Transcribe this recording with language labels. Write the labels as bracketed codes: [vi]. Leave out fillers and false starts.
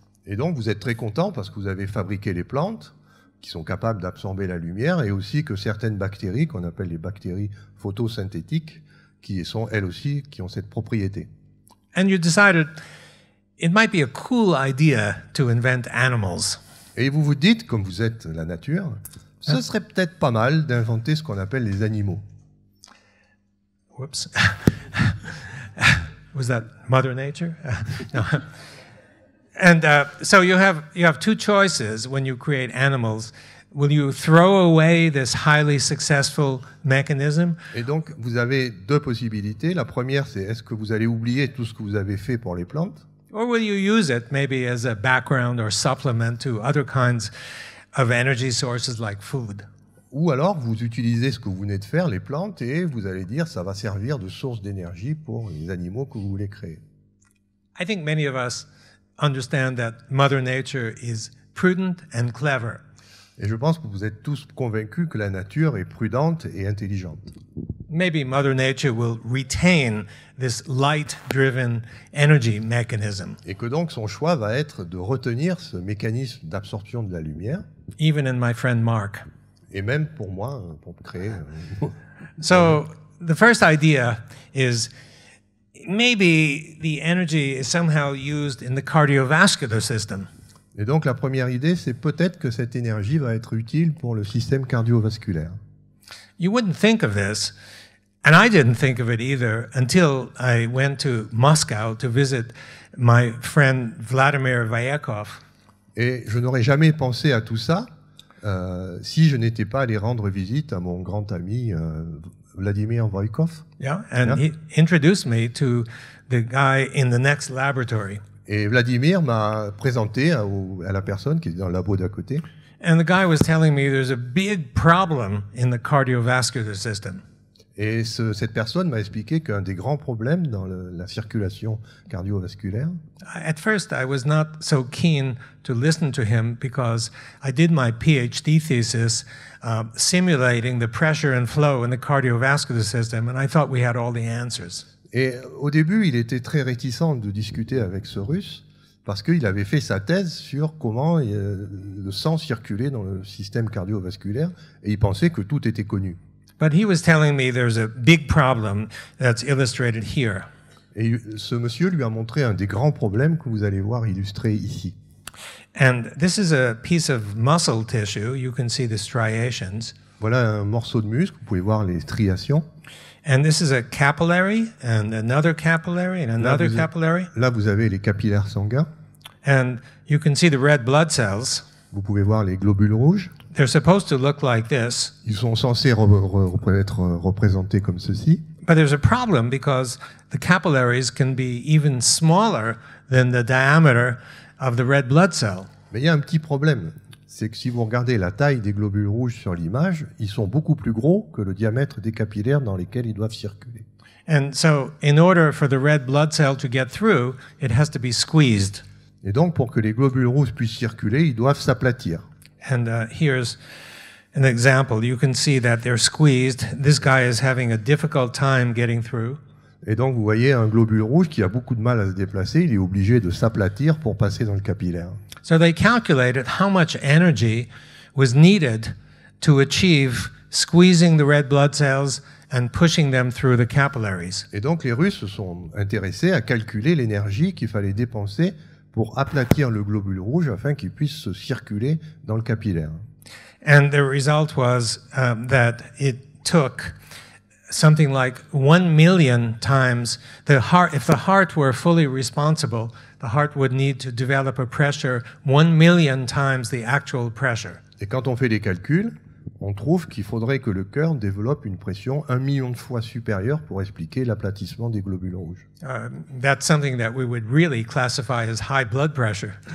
[fr] Et donc, vous êtes très content parce que vous avez fabriqué les plantes qui sont capables d'absorber la lumière et aussi que certaines bactéries, qu'on appelle les bactéries photosynthétiques, qui sont elles aussi, qui ont cette propriété. [en] And you decided it might be a cool idea to invent animals. [fr] Et vous vous dites, comme vous êtes la nature, ce serait peut-être pas mal d'inventer ce qu'on appelle les animaux. [en] Whoops. Was that Mother Nature? No. And so you have two choices when you create animals. Will you throw away this highly successful mechanism? [fr] Et donc vous avez deux possibilités. La première, c'est est-ce que vous allez oublier tout ce que vous avez fait pour les plantes? [en] Or will you use it maybe as a background or supplement to other kinds of energy sources like food? [fr] Ou alors, vous utilisez ce que vous venez de faire, les plantes, et vous allez dire, ça va servir de source d'énergie pour les animaux que vous voulez créer. [en] I think many of us understand that Mother Nature is prudent and clever. [fr] Et je pense que vous êtes tous convaincus que la nature est prudente et intelligente. [en] Maybe Mother Nature will retain this light-driven energy mechanism. [fr] Et que donc son choix va être de retenir ce mécanisme d'absorption de la lumière. [en] Even in my friend Mark. [fr] Et même pour moi, pour créer. [en] So the first idea is maybe the energy is somehow used in the cardiovascular system. [fr] Et donc la première idée, c'est peut-être que cette énergie va être utile pour le système cardiovasculaire. [en] You wouldn't think of this, and I didn't think of it either until I went to Moscow to visit my friend Vladimir Vayakov. [fr] Et je n'aurais jamais pensé à tout ça. Si je n'étais pas allé rendre visite à mon grand ami Vladimir Voïkov. [en] Yeah, and he introduced me to the guy in the next laboratory. [fr] Et Vladimir m'a présenté à la personne qui était dans le labo d'à côté. [en] And the guy was telling me there's a big problem in the cardiovascular system. [fr] Et cette personne m'a expliqué qu'un des grands problèmes dans la circulation cardiovasculaire. [en] At first, I was not so keen to listen to him because I did my PhD thesis simulating the pressure and flow in the cardiovascular system, and I thought we had all the answers. [fr] Et au début, il était très réticent de discuter avec ce Russe parce qu'il avait fait sa thèse sur comment le sang circulait dans le système cardiovasculaire et il pensait que tout était connu. [en] But he was telling me there's a big problem that's illustrated here. [fr] Et ce monsieur lui a montré un des grands problèmes que vous allez voir illustré ici. [en] And this is a piece of muscle tissue. You can see the striations. [fr] Voilà un morceau de muscle. Vous pouvez voir les striations. [en] And this is a capillary and another capillary and another capillary. [fr] Là, vous avez les capillaires sanguins. [en] And you can see the red blood cells. [fr] Vous pouvez voir les globules rouges. [en] They're supposed to look like this. [fr] Ils sont censés être représentés comme ceci. [en] But there's a problem because the capillaries can be even smaller than the diameter of the red blood cell. [fr] Mais il y a un petit problème. C'est que si vous regardez la taille des globules rouges sur l'image, ils sont beaucoup plus gros que le diamètre des capillaires dans lesquels ils doivent circuler. [en] And so, in order for the red blood cell to get through, it has to be squeezed. [fr] Et donc, pour que les globules rouges puissent circuler, ils doivent s'aplatir. [en] And here's an example. You can see that they're squeezed. This guy is having a difficult time getting through. [fr] Et donc, vous voyez un globule rouge qui a beaucoup de mal à se déplacer. Il est obligé de s'aplatir pour passer dans le capillaire. [en] So they calculated how much energy was needed to achieve squeezing the red blood cells and pushing them through the capillaries. [fr] Et donc, les Russes se sont intéressés à calculer l'énergie qu'il fallait dépenser pour aplatir le globule rouge afin qu'il puisse se circuler dans le capillaire. [en] And the result was that it took something like 1 million times the heart. If the heart were fully responsible, the heart would need to develop a pressure 1 million times the actual pressure. [fr] Et quand on fait les calculs, on trouve qu'il faudrait que le cœur développe une pression 1 million de fois supérieure pour expliquer l'aplatissement des globules rouges. [en] That's something that we would really classify as high blood pressure.